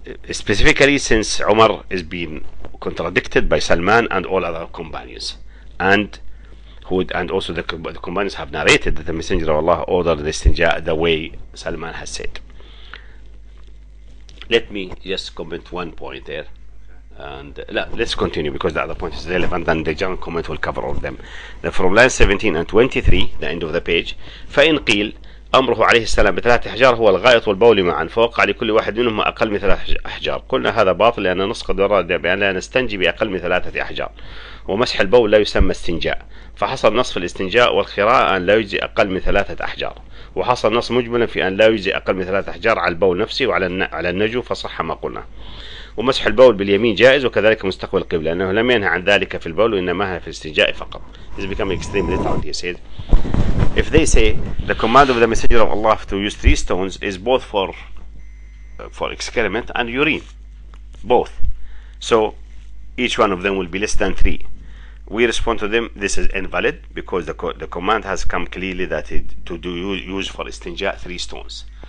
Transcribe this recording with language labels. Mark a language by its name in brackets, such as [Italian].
[English] Specifically, since Umar is being contradicted by Salman and all other companions, and also the companions have narrated that the Messenger of Allah ordered the istinja the way Salman has said. Let me just comment one point there, and let's continue, because the other point is relevant, and the general comment will cover all of them. Then from line 17 and 23, the end of the page, [Arabic] فإن قيل أمره عليه السلام بثلاث أحجار هو الغائط والبول معا، فوقع لكل واحد منهم أقل من ثلاث أحجار. قلنا هذا باطل، لأن نص قد ورد بأن لا نستنجي بأقل من ثلاثة أحجار، ومسح البول لا يسمى استنجاء، فحصل نص في الاستنجاء والقراءة أن لا يجزي أقل من ثلاثة أحجار، وحصل نص مجملا في أن لا يجزي أقل من ثلاثة أحجار على البول نفسه وعلى النجو، فصح ما قلنا. ومسح البول باليمين جائز، وكذلك مستقبل القبلة، لأنه لم ينهى عن ذلك في البول، وإنما هي في الاستنجاء فقط. [English] It's becoming extremely loud, he said. If they say the command of the Messenger of Allah to use 3 stones is both for excrement and urine, both, so each one of them will be less than 3, we respond to them, this is invalid, because the command has come clearly that it to do use for istinja 3 stones.